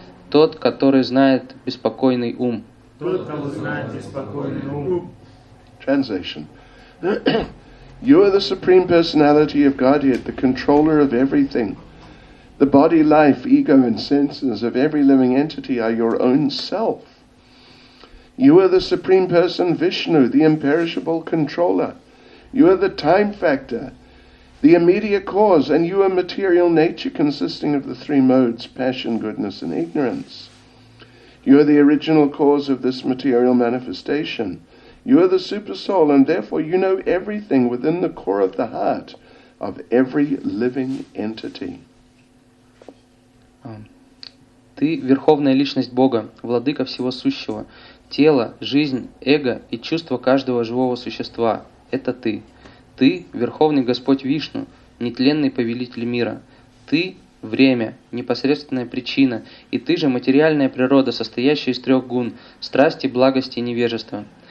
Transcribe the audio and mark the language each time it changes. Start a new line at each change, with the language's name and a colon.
Russian: тот, который знает беспокойный ум.
English: Translation. You are the Supreme Personality of Godhead, the controller of everything. The body, life, ego, and senses of every living entity are your own self. You are the Supreme Person, Vishnu, the imperishable controller. You are the time factor, the immediate cause, and you are material nature consisting of the three modes, passion, goodness, and ignorance. You are the original cause of this material manifestation. You are the super soul, and therefore you know everything within the core of the heart of every living entity.
Russian: Ты – верховная личность Бога, владыка всего сущего. Тело, жизнь, эго и чувство каждого живого существа – это ты. Ты – верховный Господь Вишну, нетленный повелитель мира. Ты – время, непосредственная причина, и ты же материальная природа, состоящая из трех гун – страсти, благости и невежества.